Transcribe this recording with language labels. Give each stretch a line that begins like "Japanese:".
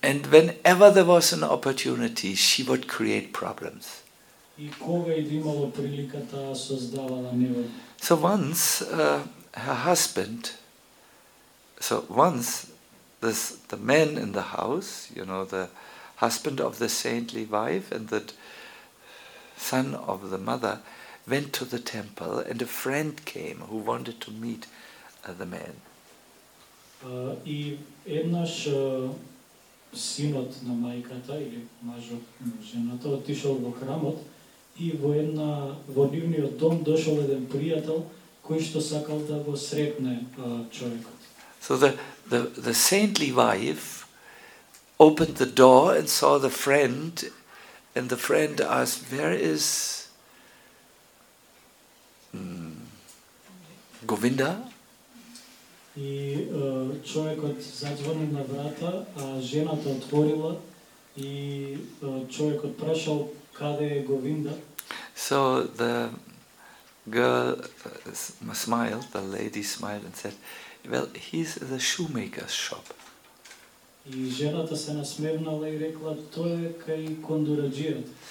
English: And whenever there was an opportunity, she would create problems.
Macedonian: И кога и имало прилика, таа создавала неволја.
English: So once her husband, so once this the man in the house, you know, the husband of the saintly wife and that son of the mother, went to the temple, and a friend came who wanted to meet the man.
Macedonian: И еднаш синот на мајката или мажот на жената отишол во храмот и во една во нивниот дом дошол еден пријател кој што сакал да го сретне човекот.
English: So the saintly wife opened the door and saw the friend, and the friend asked, "Where is Govinda?"
Macedonian: И човекот затворил на врата, а жената отворила и човекот прашал каде е Говинда.
English: So the girl smiled, the lady smiled and said, "Well, he's the shoemaker's shop."
Macedonian: И жената се насмевнала и рекла, тој е кај кондураџијот.